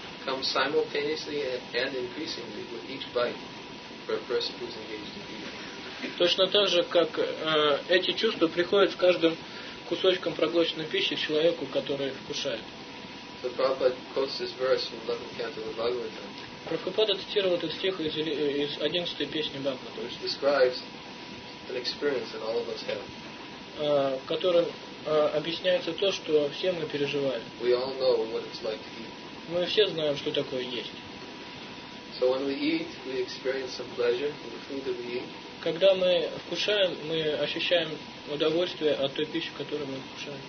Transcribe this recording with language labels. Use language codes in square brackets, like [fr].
[en] come simultaneously and increasingly with each bite for a person who's engaged in eating. [ru] Точно так же, как эти чувства приходят с каждым кусочком проглоченной пищи человеку, который вкушает. [en] So Prabhupada quotes this verse from 11th canto of Bhagavatam. [ru] Прабхупада цитирует этот стих из 11-й песни Бхагавата, [en] which describes an experience that all of us have. [ru] Которым объясняется то, что все мы переживали. [en] We all know what it's like to eat. [ru] Мы все знаем, что такое есть. [en] So when we eat, we experience some pleasure in the food that we eat. [ru] Когда мы вкушаем, мы ощущаем удовольствие от той пищи, которую мы вкушаем.